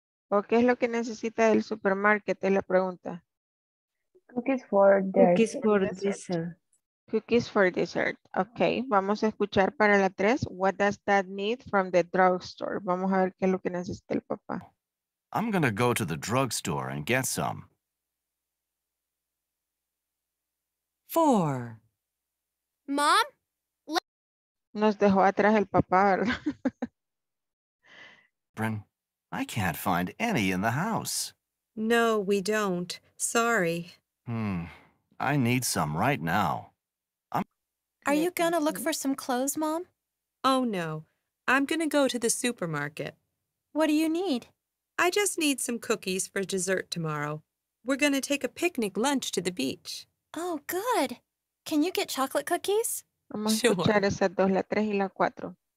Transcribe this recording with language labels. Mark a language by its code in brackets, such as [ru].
[es] ¿O qué es lo que necesita del supermarket? Es la pregunta. [en] Cookies for dessert. Cookies for dessert. [es] Okay, vamos a escuchar para la tres. [en] What does dad need from the drugstore? [es] Vamos a ver qué es lo que necesita el papá. [en] I'm gonna go to the drugstore and get some. Four. Mom? [es] Nos dejó atrás el papá, ¿verdad? [en] Bren, I can't find any in the house. No, we don't. Sorry. I need some right now. Are you gonna look for some clothes, Mom? Oh, no. I'm gonna go to the supermarket. What do you need? I just need some cookies for dessert tomorrow. We're gonna take a picnic lunch to the beach. Oh, good. Can you get chocolate cookies? [es] Vamos a escuchar esas dos, la tres y la cuatro.